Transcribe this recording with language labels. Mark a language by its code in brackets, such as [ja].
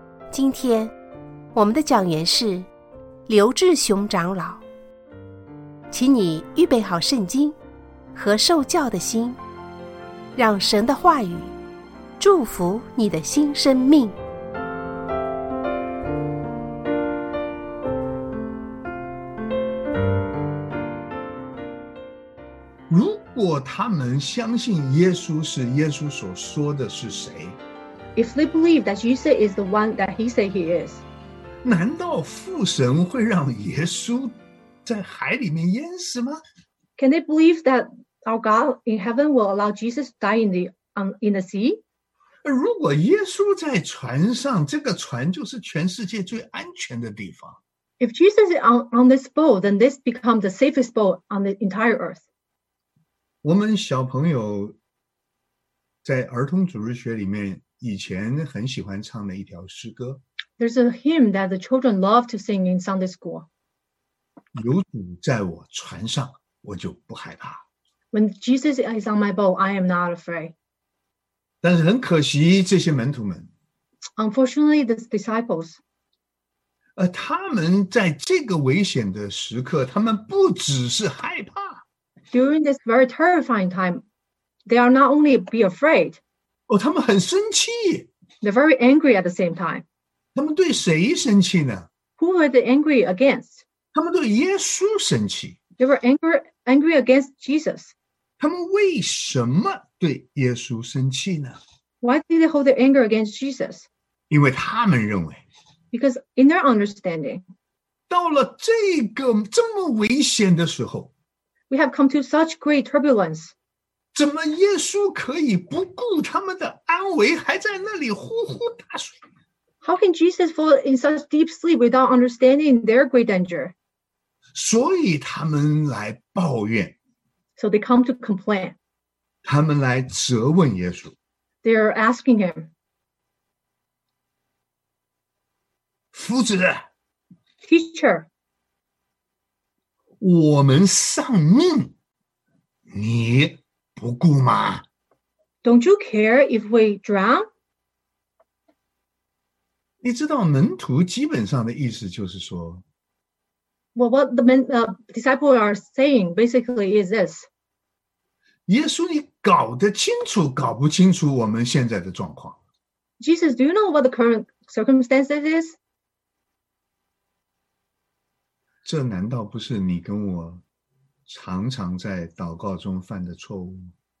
[zh] 今天我们的讲员是刘志雄长老，请你预备好圣经和受教的心，让神的话语祝福你的新生命。如果他们相信耶稣是耶稣所说的是谁？ [en] If they believe that Jesus is the one that he said he is. [zh] 难道父神会让耶稣在海里面淹死吗？ [en] Can they believe that our God in heaven will allow Jesus to die in the sea? [zh] 如果耶稣在船上，这个船就是全世界最安全的地方。 [en] If Jesus is on this boat, then this becomes the safest boat on the entire earth. [zh] 我们小朋友在儿童主日学里面以前很喜欢唱的一条诗歌。 [en] There's a hymn that the children love to sing in Sunday school. [zh] 有主在我船上，我就不害怕。 [en] When Jesus is on my boat, I am not afraid. [zh] 但是很可惜，这些门徒们。 [en] Unfortunately, the disciples. [zh] 他们在这个危险的时刻，他们不只是害怕。 [en] During this very terrifying time, they are not only be afraid. [zh] Oh, 他们很生气。 [en] They're very angry at the same time. [zh] 他们对谁生气呢？ [en] Who were they angry against? [zh] 他们对耶稣生气。 [en] They were angry against Jesus. [zh] 他们为什么对耶稣生气呢？ [en] Why did they hold their anger against Jesus? [zh] 因为他们认为。 [en] Because in their understanding. [zh] 到了这个这么危险的时候。 [en] We have come to such great turbulence. [zh] 怎么耶稣可以不顾他们的安危还在那里呼呼大睡？ [en] How can Jesus fall in such deep sleep without understanding their great danger? [zh] 所以他们来抱怨。 [en] So they come to complain. [zh] 他们来责问耶稣。 [en] They are asking him. [zh] 夫子。 [en] Teacher. [zh] 我们丧命，你不顾吗？ [en] Don't you care if we drown? [zh] 你知道门徒基本上的意思就是说 [en] Well, what the men, disciples are saying basically is this. [zh] 耶稣，你搞得清楚，搞不清楚我们现在的状况。 [en] Jesus, do you know what the current circumstances is? [zh] 这难道不是你跟我常常在祷告中犯的错误吗？